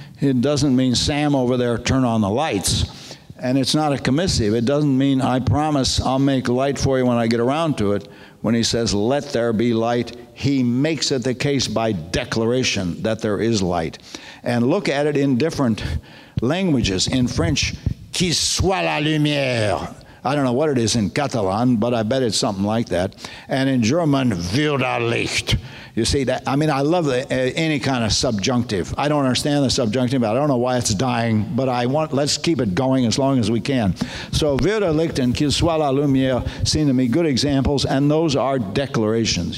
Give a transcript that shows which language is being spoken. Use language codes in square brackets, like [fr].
[en] It doesn't mean, Sam over there, turn on the lights. And it's not a commissive. It doesn't mean, I promise I'll make light for you when I get around to it. When he says, let there be light, he makes it the case by declaration that there is light. And look at it in different languages. In French, [fr] qu'il soit la lumière. [en] I don't know what it is in Catalan, but I bet it's something like that. And in German, [de] Würde Licht. [en] You see that? I mean, I love any kind of subjunctive. I don't understand the subjunctive. I don't know why it's dying, but let's keep it going as long as we can. So [de] Würde Licht [en] and [fr] qu'il soit la lumière [en] seem to me good examples, and those are declarations.